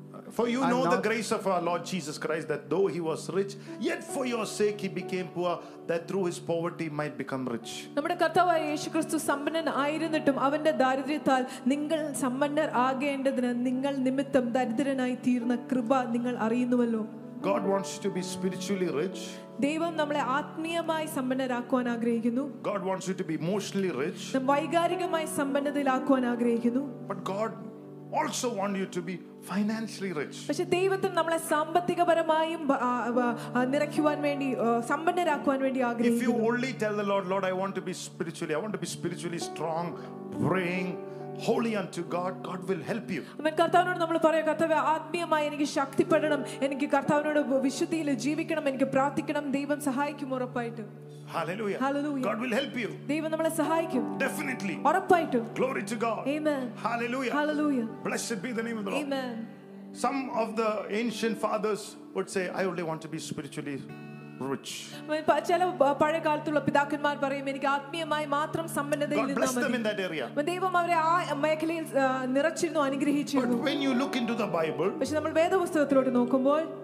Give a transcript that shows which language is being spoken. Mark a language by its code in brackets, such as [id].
[en] For you know the grace of our Lord Jesus Christ, that though he was rich, yet for your sake he became poor, that through his poverty might become rich. [ml] നമ്മുടെ കർത്താവായ യേശുക്രിസ്തു സമ്പന്നൻ ആയിരുന്നിട്ടും അവന്റെ ദാരിദ്ര്യത്താൽ നിങ്ങൾ സമ്പന്നർ ആകേണ്ടതിന് നിങ്ങൾ നിമിത്തം ദരിദ്രനായി തീർന്ന കൃപ നിങ്ങൾ അറിയുന്നുവല്ലോ. [en] God wants you to be spiritually rich. [ml] ദൈവം നമ്മളെ ആത്മീയമായി സമ്പന്നരാക്കുവാൻ ആഗ്രഹിക്കുന്നു. [en] God wants you to be emotionally rich. [ml] വൈകാരികമായി സമ്പന്നതയിലാക്കുവാൻ ആഗ്രഹിക്കുന്നു. [en] But God also want you to be financially rich. [ml] പക്ഷേ ദൈവത്തിന് നമ്മളെ സാമ്പത്തികപരമായും നിറയ്ക്കുവാൻ വേണ്ടി സമ്പന്നരാക്കുവാൻ വേണ്ടി ആഗ്രഹിക്കുന്നു. [en] If you only tell the Lord, Lord, I want to be spiritually strong, praying holy unto God, God will help you. [ml] നമ്മൾ കർത്താവിനോട് നമ്മൾ പറയുക, കർത്താവേ ആത്മീയമായി എനിക്ക് ശക്തിപ്പെടണം, എനിക്ക് കർത്താവിനോട് വിശുദ്ധിയിൽ ജീവിക്കണം, എനിക്ക് പ്രാർത്ഥിക്കണം, ദൈവം സഹായിക്കും ഉറപ്പായിട്ട്. [en] Hallelujah. Hallelujah. God will help you. ദൈവം നമ്മളെ സഹായിക്കും. Definitely. ഉറപ്പായിട്ടും. Glory to God. Amen. Hallelujah. Hallelujah. Blessed be the name of the Lord. Amen. Some of the ancient fathers would say, I only want to be spiritually rich. [ml] പല പഴയ കാലത്തുള്ള പിതാക്കന്മാർ പറയും, എനിക്ക് ആത്മീയമായി മാത്രം സമ്പന്നതയിൽ ഇരുന്നാൽ മതി. [en] God bless them in that area. [ml] ദൈവം അവരെ ആ മേഖലയിൽ നിറച്ചിരുന്നു, അനുഗ്രഹിച്ചിരുന്നു. [en] But when you look into the Bible, [ml] പക്ഷെ നമ്മൾ വേദപുസ്തകത്തിലോട്ട് നോക്കുമ്പോൾ,